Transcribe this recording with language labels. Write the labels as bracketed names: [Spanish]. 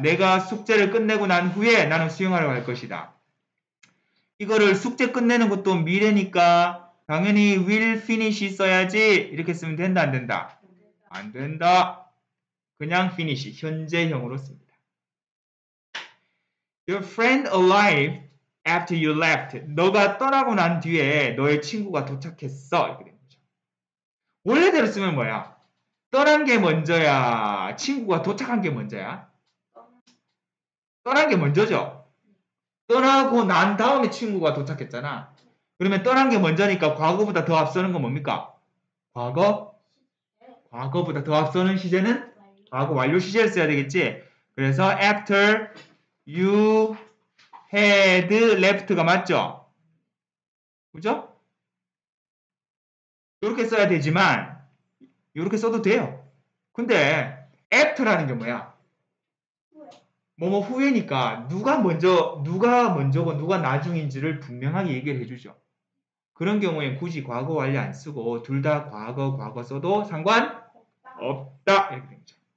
[Korean] 내가 숙제를 끝내고 난 후에 나는 수영하러 갈 것이다. 이거를 숙제 끝내는 것도 미래니까 당연히 will finish 써야지. 이렇게 쓰면 된다, 안 된다? 안 된다. 그냥 finish, 현재형으로 씁니다. [English] Your friend arrived after you left. [Korean] 너가 떠나고 난 뒤에 너의 친구가 도착했어. 이렇게 되는 거죠. 원래대로 쓰면 뭐야? 떠난 게 먼저야? 친구가 도착한 게 먼저야? 떠난 게 먼저죠. 떠나고 난 다음에 친구가 도착했잖아. 그러면 떠난 게 먼저니까 과거보다 더 앞서는 건 뭡니까? 과거? 과거보다 더 앞서는 시제는? 과거 완료 시제를 써야 되겠지. 그래서 [English] after You had left [Korean] 가 맞죠? 그죠? 이렇게 써야 되지만 이렇게 써도 돼요. 근데 after라는 게 뭐야? 뭐뭐 후회니까 누가 먼저고 누가 나중인지를 분명하게 얘기를 해주죠. 그런 경우에 굳이 과거 완료 안 쓰고 둘 다 과거 써도 상관 없다. 이렇게 됩니다.